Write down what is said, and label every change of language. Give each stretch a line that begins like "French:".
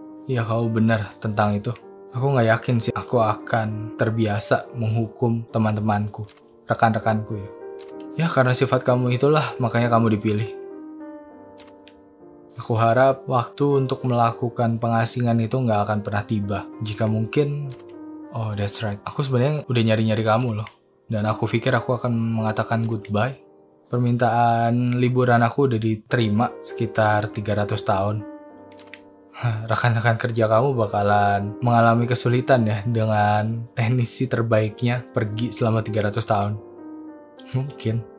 Indonesian: Ya, kau benar tentang itu. Aku gak yakin sih aku akan terbiasa menghukum teman-temanku, rekan-rekanku ya. Ya karena sifat kamu itulah makanya kamu dipilih. Aku harap waktu untuk melakukan pengasingan itu gak akan pernah tiba. Jika mungkin,
English: oh that's right.
Indonesian: Aku sebenarnya udah nyari-nyari kamu loh. Dan aku pikir aku akan mengatakan goodbye. Permintaan liburan aku udah diterima sekitar 300 tahun. Rekan-rekan kerja kamu bakalan mengalami kesulitan ya dengan teknisi terbaiknya pergi selama 300 tahun. Mungkin.